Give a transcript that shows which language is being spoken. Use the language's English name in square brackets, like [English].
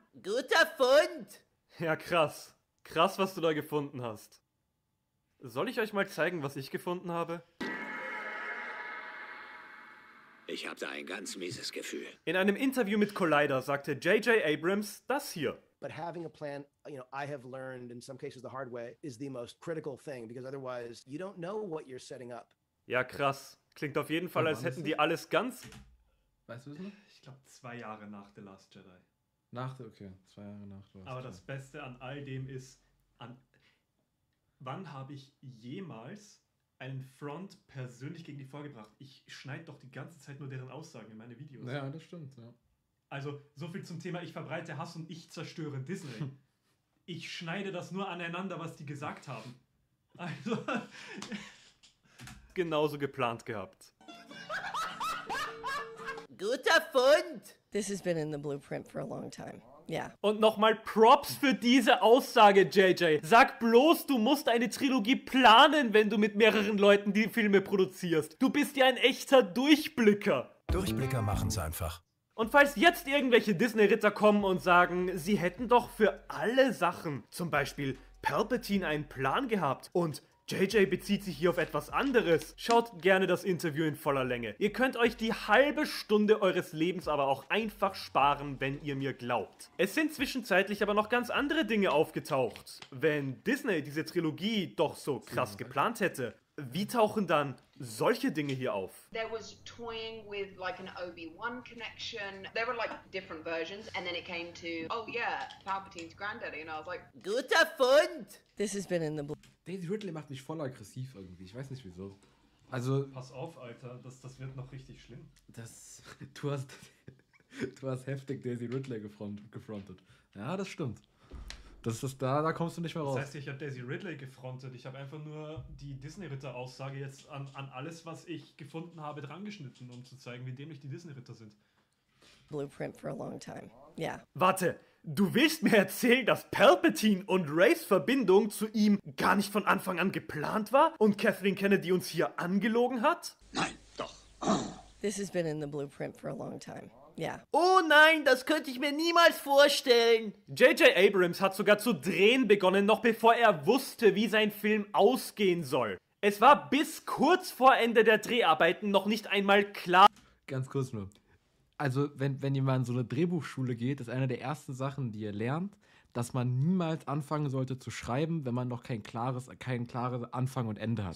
[German] Guter Fund. Ja, krass. Krass, was du da gefunden hast. Soll ich euch mal zeigen, was ich gefunden habe? Ich habe da ein ganz mieses Gefühl. In einem Interview mit Collider sagte J.J. Abrams das hier. [English] But having a plan, you know, I have learned in some cases the hard way, is the most critical thing, because otherwise you don't know what you're setting up. [German] Ja, krass. Klingt auf jeden Fall, als hätten die alles ganz... Weißt du es noch? Ich glaube, 2 Jahre nach The Last Jedi. Nach, okay. 2 Jahre nach The Last Jedi. Aber das Beste an all dem ist, wann habe ich jemals einen Front persönlich gegen die vorgebracht. Ich schneide doch die ganze Zeit nur deren Aussagen in meine Videos. Ja, das stimmt. Ja. Also, so viel zum Thema, ich verbreite Hass und ich zerstöre Disney. Ich schneide das nur aneinander, was die gesagt haben. Also, genauso geplant gehabt. Guter Fund! [English] This has been in the blueprint for a long time. Yeah. [German] Und nochmal Props für diese Aussage, JJ. Sag bloß, du musst eine Trilogie planen, wenn du mit mehreren Leuten die Filme produzierst. Du bist ja ein echter Durchblicker. Durchblicker machen's einfach. Und falls jetzt irgendwelche Disney-Ritter kommen und sagen, sie hätten doch für alle Sachen, zum Beispiel Palpatine, einen Plan gehabt und JJ bezieht sich hier auf etwas anderes, schaut gerne das Interview in voller Länge. Ihr könnt euch die halbe Stunde eures Lebens aber auch einfach sparen, wenn ihr mir glaubt. Es sind zwischenzeitlich aber noch ganz andere Dinge aufgetaucht. Wenn Disney diese Trilogie doch so krass geplant hätte, wie tauchen dann solche Dinge hier auf? [English] There was toying with like an Obi-Wan connection. There were like different versions and then it came to, oh yeah, Palpatine's granddaddy. And I was like, [German] guter Fund! [English] This has been in the... [German] Daisy Ridley macht mich voll aggressiv irgendwie. Ich weiß nicht wieso. Also... Pass auf, Alter. Das wird noch richtig schlimm. Du hast heftig Daisy Ridley gefrontet. Ja, das stimmt. Da kommst du nicht mehr raus. Das heißt, ich habe Daisy Ridley gefrontet. Ich habe einfach nur die Disney-Ritter-Aussage jetzt an alles, was ich gefunden habe, drangeschnitten, um zu zeigen, wie dämlich die Disney-Ritter sind. [English] Blueprint for a long time. Yeah. [German] Warte, du willst mir erzählen, dass Palpatine und Rays Verbindung zu ihm gar nicht von Anfang an geplant war und Kathleen Kennedy uns hier angelogen hat? Nein, doch. [English] This has been in the blueprint for a long time. Yeah. [German] Oh nein, das könnte ich mir niemals vorstellen. J.J. Abrams hat sogar zu drehen begonnen, noch bevor er wusste, wie sein Film ausgehen soll. Es war bis kurz vor Ende der Dreharbeiten noch nicht einmal klar. Ganz kurz nur. Also, wenn ihr mal in so eine Drehbuchschule geht, ist eine der ersten Sachen, die ihr lernt, dass man niemals anfangen sollte zu schreiben, wenn man noch kein klares Anfang und Ende hat.